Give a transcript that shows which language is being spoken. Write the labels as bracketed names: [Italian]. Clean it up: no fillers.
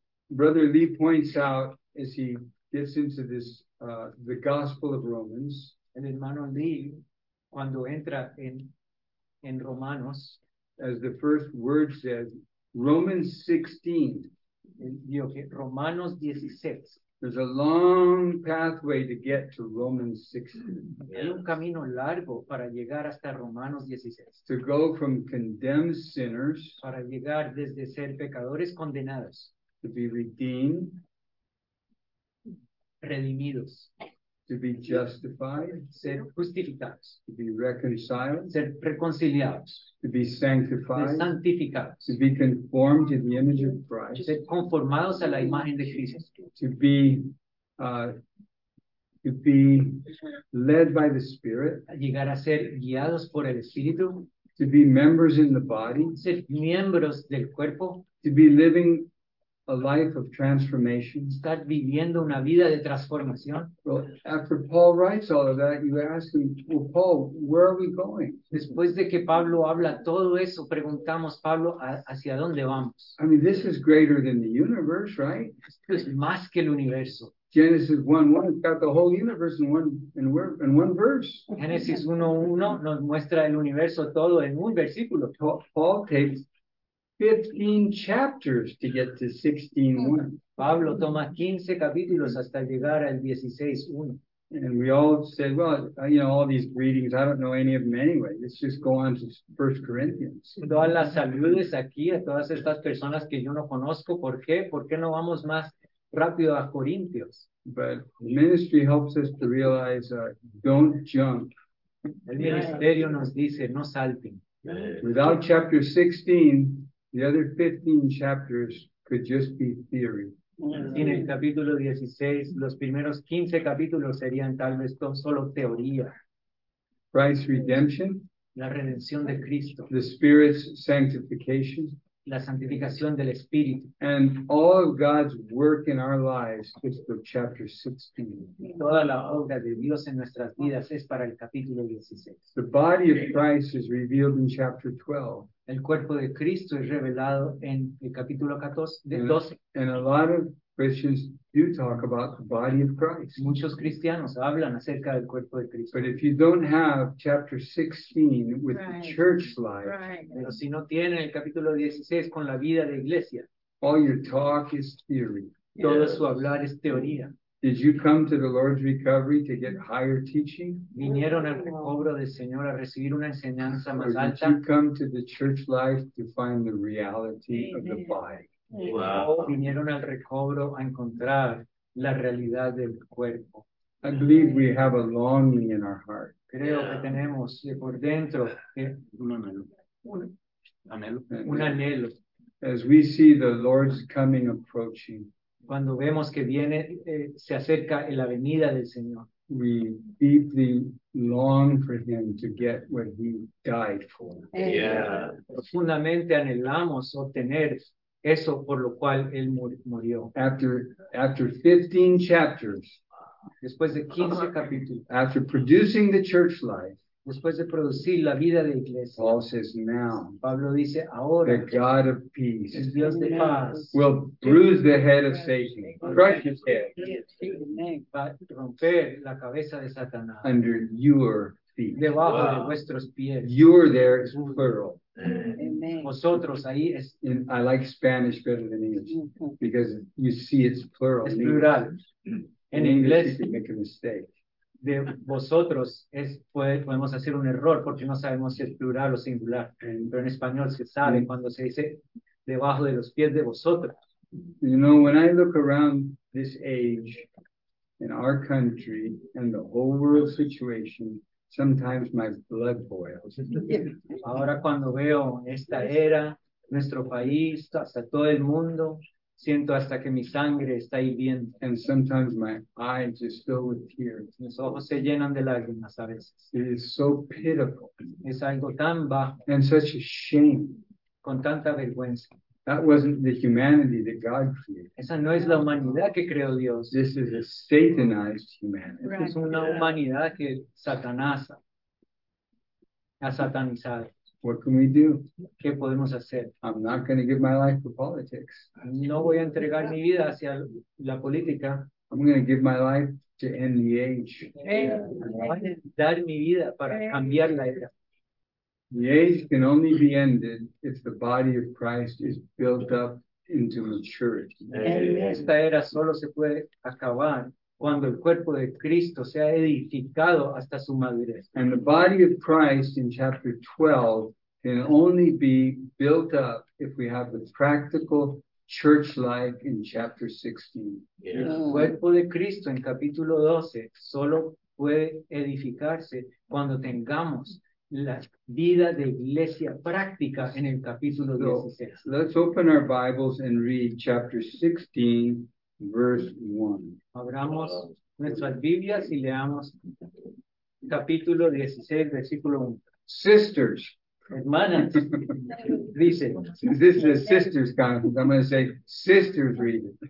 [English] Brother Lee points out as he gets into this the Gospel of Romans. [Spanish] El hermano Lee, cuando entra en Romanos, [English] as the first word says, Romans 16. [Spanish] Digo que Romanos 16. [English] There's a long pathway to get to Romans 16. [Spanish] Hay un camino largo para llegar hasta Romanos 16. [English] To go from condemned sinners. [Spanish] Para llegar desde ser pecadores condenados. [English] To be redeemed. [Spanish] Redimidos. [English] To be justified. [Spanish] Ser justificados. [English] To be reconciled. [Spanish] Ser reconciliados. [English] To be sanctified. [Spanish] Santificados. [English] To be conformed to the image of Christ. [Spanish] Ser conformados a la imagen de Cristo. [English] To be led by the Spirit. [Spanish] Llegar a ser guiados por el Espíritu. [English] To be members in the body. [Spanish] Ser miembros del cuerpo. [English] To be living a life of transformation. [Spanish] Estar viviendo una vida de transformación. [English] Well, after Paul writes all of that, you ask him, well, Paul, where are we going? [Spanish] Después de que Pablo habla todo eso, preguntamos, Pablo, ¿hacia dónde vamos? [English] I mean, this is greater than the universe, right? [Spanish] Esto es más que el universo. [English] Genesis 1:1 has got the whole universe in one verse. [Spanish] Genesis 1:1 nos muestra el universo todo en un versículo. [English] Paul takes 15 chapters to get to 16:1. [Spanish] Pablo toma 15 capítulos hasta llegar al 16:1. [English] And we all said, well, you know, all these greetings, I don't know any of them anyway. Let's just go on to 1 Corinthians. [Spanish] Todas las saludes aquí a todas estas personas que yo no conozco. ¿Por qué? ¿Por qué no vamos más rápido a Corintios? [English] But ministry helps us to realize, don't jump. [Spanish] El ministerio nos dice, no salten. [English] Without chapter 16, the other 15 chapters could just be theory. [Spanish] En el capítulo 16, los primeros 15 capítulos serían tal vez solo teoría. [English] Christ's redemption. [Spanish] La redención de Cristo. [English] The Spirit's sanctification. [Spanish] La santificación del Espíritu. [English] And all of God's work in our lives is for chapter 16. [Spanish] Toda la obra de Dios en nuestras vidas es para el capítulo 16. [English] The body of Christ is revealed in chapter 12. [Spanish] El cuerpo de Cristo es revelado en el capítulo 12. [English] And a lot of Christians do talk about the body of Christ. [Spanish] Muchos cristianos hablan acerca del cuerpo de Cristo. [English] But if you don't have chapter 16 with the church life, [Spanish] pero si no tiene el capítulo 16 con la vida de iglesia, [English] all your talk is theory. [Spanish] Todo su hablar es teoría. [English] Did you come to the Lord's Recovery to get higher teaching? [Spanish] ¿Vinieron al recobro del Señor a recibir una enseñanza más alta? [English] Or did you come to the church life to find the reality of the body? Wow. [Spanish] Vinieron al recobro a encontrar la realidad del cuerpo. [English] I believe we have a longing in our heart. [Spanish] Creo que tenemos por dentro un anhelo. [English] As we see the Lord's coming approaching, [Spanish] cuando vemos que viene, se acerca la venida del Señor, [English] we deeply long for him to get what he died for. Yeah. [Spanish] Profundamente anhelamos obtener eso por lo cual él murió. [English] After 15 chapters, [Spanish] después de 15 capítulos, [English] after producing the church life, [Spanish] después de producir la vida de iglesia, [English] Paul says now, [Spanish] Pablo dice ahora, [English] the God of peace, [Spanish] el Dios de paz, [English] will bruise the head of Satan, crush his head, [Spanish] va a romper la cabeza de Satanás, [English] under your feet, [Spanish] debajo de vuestros pies, [English] you're there as plural. [Spanish] Vosotros ahí es, [English] and I like Spanish better than English because you see it's plural. [Spanish] Es plural. En [English] English, you can make a mistake. [Spanish] De vosotros es, podemos hacer un error porque no sabemos si es plural o singular. Pero en español se sabe cuando se dice debajo de los pies de vosotros. [English] You know, when I look around this age in our country and the whole world situation, sometimes my blood boils. [Spanish] Ahora cuando veo esta era, nuestro país, hasta todo el mundo, siento hasta que mi sangre está hirviendo. [English] And sometimes my eyes are filled with tears. [Spanish] Mis ojos se llenan de lágrimas a veces. [English] It is so pitiful. [Spanish] Es algo tan bajo. [English] And such a shame. [Spanish] Con tanta vergüenza. [English] That wasn't the humanity that God created. [Spanish] Esa no es la humanidad que creó Dios. [English] This is a satanized humanity. Right. [Spanish] Es una humanidad que Satanás ha satanizado. [English] What can we do? [Spanish] ¿Qué podemos hacer? [English] I'm not going to give my life for politics. [Spanish] No voy a entregar mi vida hacia la política. [English] I'm going to give my life to end the age. [Spanish] Voy a dar mi vida para cambiar la era. [English] The age can only be ended if the body of Christ is built up into maturity. [Spanish] Esta era solo se puede acabar cuando el cuerpo de Cristo sea edificado hasta su madurez. [English] And the body of Christ in chapter 12 can only be built up if we have the practical church life in chapter 16. [Spanish] El cuerpo de Cristo en capítulo 12 solo puede edificarse cuando tengamos la vida de iglesia práctica en el capítulo 16. [English] So, let's open our Bibles and read chapter 16, verse 1. [Spanish] Abramos nuestras Biblias y leamos capítulo 16, versículo 1. [English] Sisters, [Spanish] Hermanas. Dice. [English] This is a sister's conference. I'm going to say sister's reading.